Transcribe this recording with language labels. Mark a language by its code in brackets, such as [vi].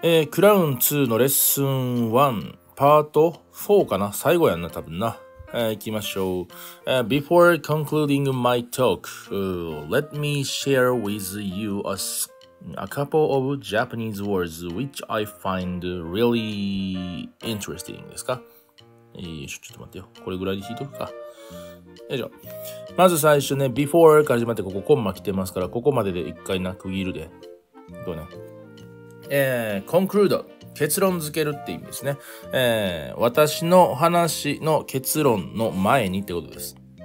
[ja] クラウン2のレッスン1パート4かな、最後やんな多分な。行きましょう。 [en] Before concluding my talk, let me share with you a couple of Japanese words which I find really interesting [ja] ですか。ちょっと待ってよ、これぐらいで引いとくか。よいしょ。まず最初ね、 before から始まってここコンマ来てますから、ここまでで一回な区切るで、どうね。 Conclude、 結論付けるって意味ですね。私の話の結論の前にってことです。